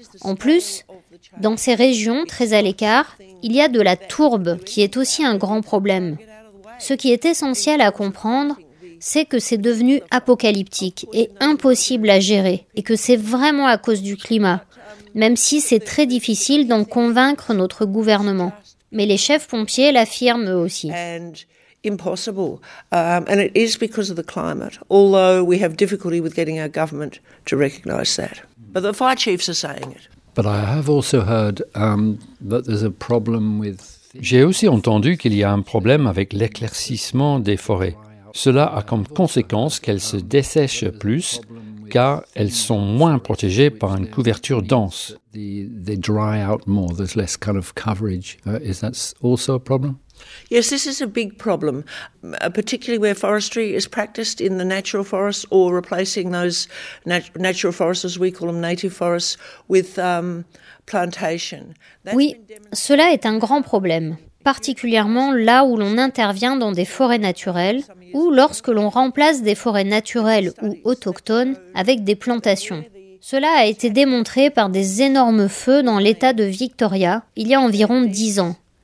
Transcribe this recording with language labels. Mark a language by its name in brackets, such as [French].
[French] En plus, dans ces régions très à l'écart, il y a de la tourbe qui est aussi un grand problème. Ce qui est essentiel à comprendre, c'est que c'est devenu apocalyptique et impossible à gérer, et que c'est vraiment à cause du climat, même si c'est très difficile d'en convaincre notre gouvernement. Mais les chefs pompiers l'affirment aussi. Impossible. [English] And it is because of the climate, although we have difficulty with getting our government to recognize that. But the fire chiefs are saying it. But I have also heard that there's a problem with... [French] J'ai aussi entendu qu'il y a un problème avec l'éclaircissement des forêts. Cela a comme conséquence qu'elles se dessèchent plus, car elles sont moins protégées par une couverture dense. [English] They dry out more, there's less kind of coverage. Is that also a problem? Yes, this is a big problem, particularly where forestry is practiced in the natural forests or replacing those natural forests, as we call them, native forests, with plantation. [French] Oui, cela est un grand problème, particulièrement là où l'on intervient dans des forêts naturelles ou lorsque l'on remplace des forêts naturelles ou autochtones avec des plantations. Cela a été démontré par des énormes feux dans l'État de Victoria il y a environ 10 ans.